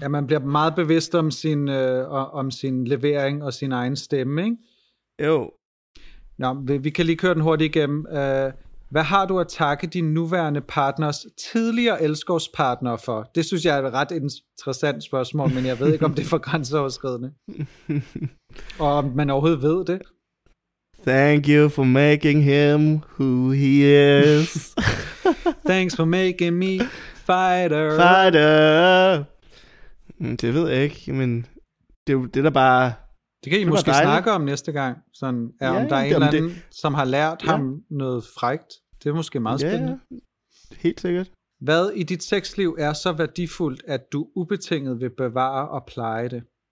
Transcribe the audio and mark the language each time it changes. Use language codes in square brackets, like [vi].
[da] Ja, man bliver meget bevidst om sin, om sin levering og sin egen stemme, ikke? Jo. Nå, vi kan lige køre den hurtigt igennem. Hvad har du at takke din nuværende partners tidligere elskovspartnere for? Det synes jeg er et ret interessant spørgsmål, men jeg ved ikke, om det er for grænseoverskridende. Og om man overhovedet ved det. [en] Thank you for making him who he is. Thanks for making me fighter. Fighter. [da] Det ved jeg ikke, men det er der bare... Det kan I måske snakke om næste gang, sådan, om der er en eller anden, som har lært ham noget frækt. Det er måske meget spændende. Ja, helt sikkert. Hvad i dit sexliv er så værdifuldt, at du ubetinget vil bevare og pleje det?